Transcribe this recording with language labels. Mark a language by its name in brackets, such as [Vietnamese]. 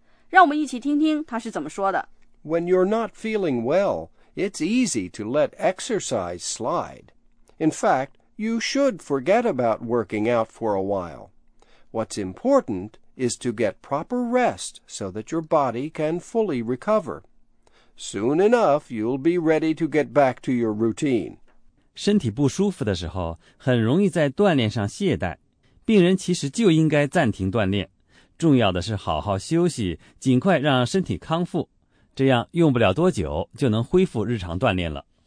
[Chinese] 让我们一起听听他是怎么说的。 [English] When you're not feeling well, it's easy to let exercise slide. In fact, you should forget about working out for a while. What's important is to get proper rest so that your body can fully recover. Soon enough, you'll be ready to get back to your routine. [Chinese] 身体不舒服的时候，很容易在锻炼上懈怠。病人其实就应该暂停锻炼。重要的是好好休息，尽快让身体康复，这样用不了多久就能恢复日常锻炼了。